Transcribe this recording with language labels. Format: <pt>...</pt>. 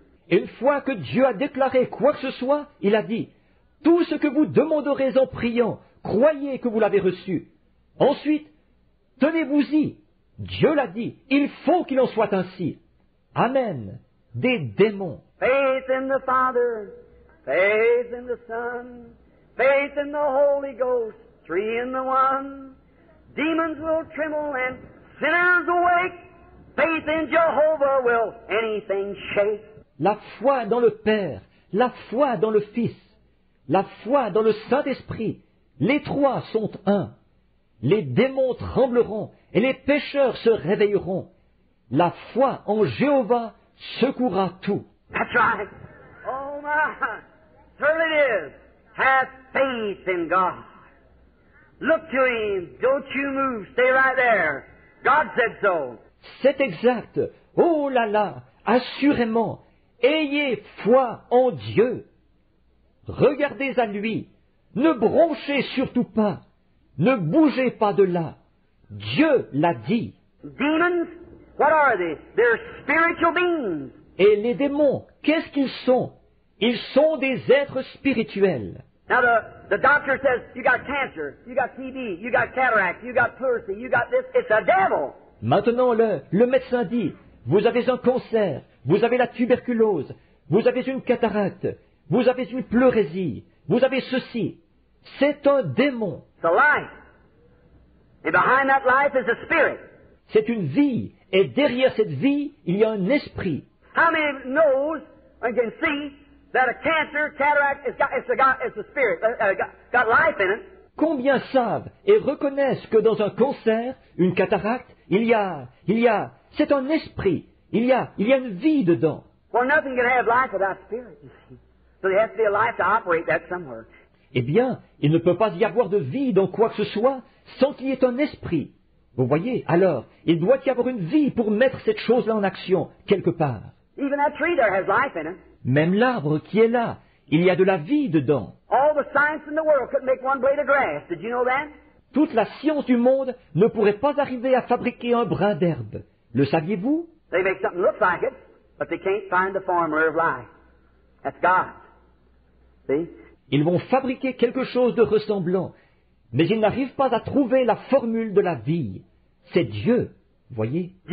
<fr>Une fois que Dieu a déclaré quoi que ce soit, il a dit, Tout ce que vous demanderez en priant, croyez que vous l'avez reçu. Ensuite, tenez-vous-y. Dieu l'a dit. Il faut qu'il en soit ainsi. Amen. Des démons.</fr> <en>Faith in the Father, faith in the Son, faith in the Holy Ghost, three in the one. Demons will tremble and sinners awake. Faith in Jehovah will anything shake.</en> <fr>La foi dans le Père, la foi dans le Fils, la foi dans le Saint-Esprit, les trois sont un. Les démons trembleront et les pécheurs se réveilleront. La foi en Jéhovah secourra tout.</fr> <en>That's right. Oh my, certainly it is. Have faith in God. Look to Him. Don't you move. Stay right there. God said so.</en> <fr>C'est exact. Oh là là, assurément, ayez foi en Dieu. Regardez à lui. Ne bronchez surtout pas. Ne bougez pas de là. Dieu l'a dit.</fr> <en>Demons, what are they? They're spiritual beings.</en> <fr>Et les démons, qu'est-ce qu'ils sont? Ils sont des êtres spirituels.</fr> <en>Now the doctor says you got cancer, you got TB, you got cataract, you got pleurisy, you got this. It's a devil.</en> <fr>Maintenant le médecin dit, vous avez un cancer, vous avez la tuberculose, vous avez une cataracte, vous avez une pleurésie, vous avez ceci. C'est un démon.</fr> <en>It's a life. And behind that life is a spirit.</en> <fr>C'est une vie, et derrière cette vie, il y a un esprit.</fr> <en>How many knows and can see that a cancer, cataract, it's a spirit, got life in it?</en> <fr>Combien savent et reconnaissent que dans un cancer, une cataracte, il y a, c'est un esprit. Il y a une vie dedans.</fr> <en>Well, nothing can have life without spirit, you see. So there has to be a life to operate that somewhere.</en> <fr>Eh bien, il ne peut pas y avoir de vie dans quoi que ce soit sans qu'il y ait un esprit. Vous voyez, alors, il doit y avoir une vie pour mettre cette chose-là en action, quelque part.</fr> <en>Even that tree there has life in it.</en> <fr>Même l'arbre qui est là, il y a de la vie dedans.</fr> <en>All the science in the world couldn't make one blade of grass. Did you know that?</en> <fr>Toute la science du monde ne pourrait pas arriver à fabriquer un brin d'herbe. Le saviez-vous?</fr> <en>They make something look like it, but they can't find the formula of life. That's God. See?</en> <fr>Ils vont fabriquer quelque chose de ressemblant, mais ils n'arrivent pas à trouver la formule de la vie. C'est Dieu, voyez.</fr>